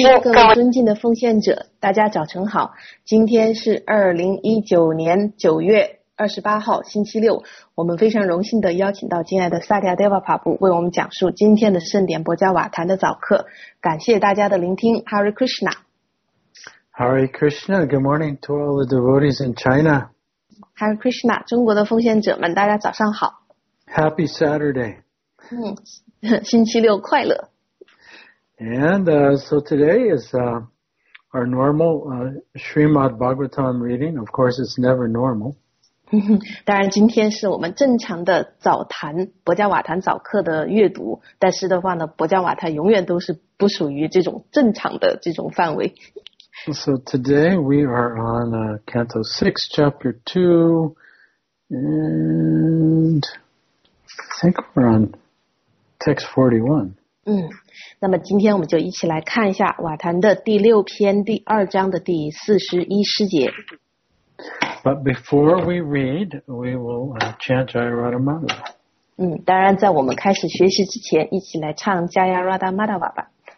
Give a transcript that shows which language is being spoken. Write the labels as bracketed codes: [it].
[zh] 各位尊敬的奉献者，大家早晨好。今天是2019年9月28号，星期六。我们非常荣幸的邀请到敬爱的萨迪亚德瓦帕布为我们讲述今天的圣典博加瓦坛的早课。感谢大家的聆听 ，Hare Krishna。 [en] Hare Krishna, good morning to all the devotees in China. [zh] Hare Krishna, 中国的奉献者们，大家早上好。 [en] Happy Saturday. [zh] 星期六快乐。 [en] And so today is our normal Srimad Bhagavatam reading. Of course, it's never normal. [zh] 当然今天是我们正常的早谈，博加瓦坛早课的阅读，但是的话呢，博加瓦坛永远都是不属于这种正常的这种范围。 [en] So today we are on Canto 6, Chapter 2, and I think we're on Text 41. [zh] 那么今天我们就一起来看一下瓦坛的第六篇第二章的第41诗节。 [en] But before we read, we will chant Jaya Radha Madhava. [zh] 当然在我们开始学习之前，一起来唱 Jaya Radha Madhava 吧。